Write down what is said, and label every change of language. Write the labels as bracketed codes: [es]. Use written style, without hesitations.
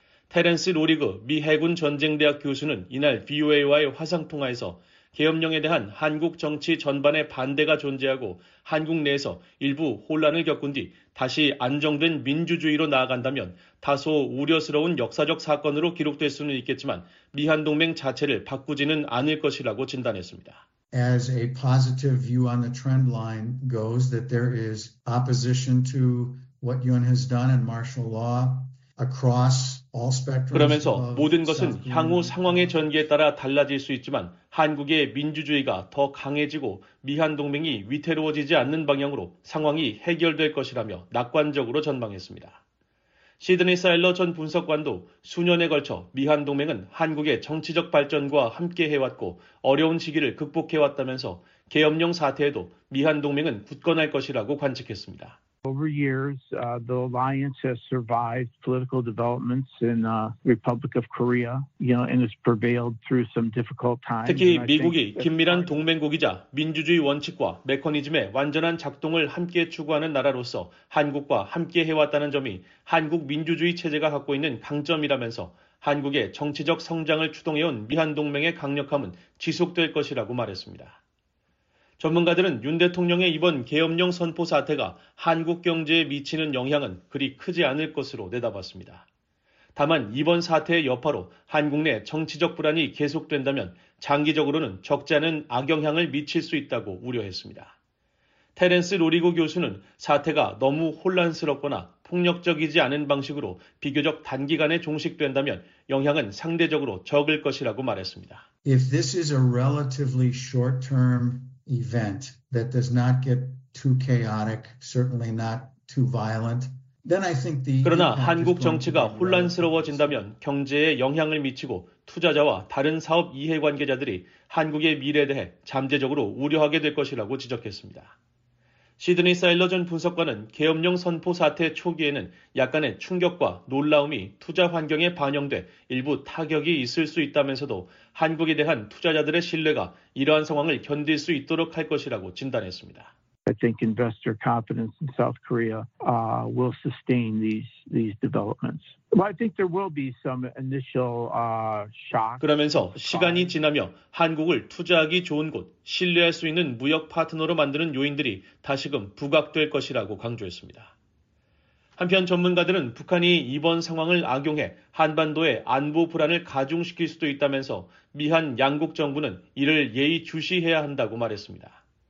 [ko] 테렌스 로리그 미 해군 전쟁대학 교수는 이날 VOA와의 화상통화에서 계엄령에 대한 한국 정치 전반의 반대가 존재하고 한국 내에서 일부 혼란을 겪은 뒤 다시 안정된 민주주의로 나아간다면 다소 우려스러운 역사적 사건으로 기록될 수는 있겠지만 미한 동맹 자체를 바꾸지는 않을 것이라고 진단했습니다. [en] As a positive view on the trend line goes that there is opposition to what Yun has done in martial law. [ko] 그러면서 모든 것은 향후 상황의 전개에 따라 달라질 수 있지만 한국의 민주주의가 더 강해지고 미한 동맹이 위태로워지지 않는 방향으로 상황이 해결될 것이라며 낙관적으로 전망했습니다. 시드니 사일러 전 분석관도 수년에 걸쳐 미한 동맹은 한국의 정치적 발전과 함께 해왔고 어려운 시기를 극복해 왔다면서 계엄령 사태에도 미한 동맹은 굳건할 것이라고 관측했습니다. [en] Over years, the alliance has survived political developments in the Republic of Korea, you know, and has prevailed through some difficult times. [ko] 특히 미국이 긴밀한 동맹국이자 민주주의 원칙과 메커니즘의 완전한 작동을 함께 추구하는 나라로서 한국과 함께 해왔다는 점이 한국 민주주의 체제가 갖고 있는 강점이라면서 한국의 정치적 성장을 추동해온 미한 동맹의 강력함은 지속될 것이라고 말했습니다. 전문가들은 윤 대통령의 이번 계엄령 선포 사태가 한국 경제에 미치는 영향은 그리 크지 않을 것으로 내다봤습니다. 다만 이번 사태의 여파로 한국 내 정치적 불안이 계속된다면 장기적으로는 적지 않은 악영향을 미칠 수 있다고 우려했습니다. 테렌스 로리고 교수는 사태가 너무 혼란스럽거나 폭력적이지 않은 방식으로 비교적 단기간에 종식된다면 영향은 상대적으로 적을 것이라고 말했습니다. [en] If this is a relatively short-term event that does not get too chaotic, certainly not too violent. Then I think the [ko] 그러나 한국 정치가 혼란스러워진다면 경제에 영향을 미치고 투자자와 다른 사업 이해 관계자들이 한국의 미래에 대해 잠재적으로 우려하게 될 것이라고 지적했습니다. 시드니 사일러 전 분석관은 계엄령 선포 사태 초기에는 약간의 충격과 놀라움이 투자 환경에 반영돼 일부 타격이 있을 수 있다면서도 한국에 대한 투자자들의 신뢰가 이러한 상황을 견딜 수 있도록 할 것이라고 진단했습니다. [en] I think investor confidence in South Korea will sustain these developments. I think there will be some initial shock. [ko] 그러면서 시간이 지나며 한국을 투자하기 좋은 곳, 신뢰할 수 있는 무역 파트너로 만드는 요인들이 다시금 부각될 것이라고 강조했습니다. 한편 전문가들은 북한이 이번 상황을 악용해 한반도의 안보 불안을 가중시킬 수도 있다면서 미한 양국 정부는 이를 예의주시해야 한다고 말했습니다.